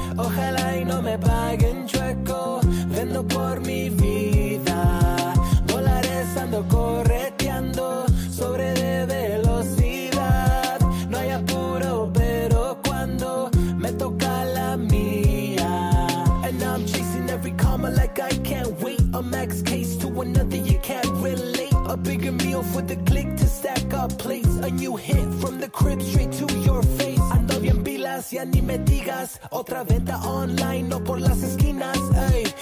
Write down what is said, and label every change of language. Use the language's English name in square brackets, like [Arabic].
[Spanish] Ojalá y no me paguen chueco, vendo por mi vida. Dólares ando correteando, sobre de velocidad. No hay apuro, pero cuando me toca la mía. [English] And I'm chasing every comma like I can't wait. A max case to another, you can't relate. A bigger meal for the click to stack up plates. A new hit from the crib straight to your face. [Spanish] Ando bien pilas, ya ni me digas. Otra venta online, no por las esquinas, ey.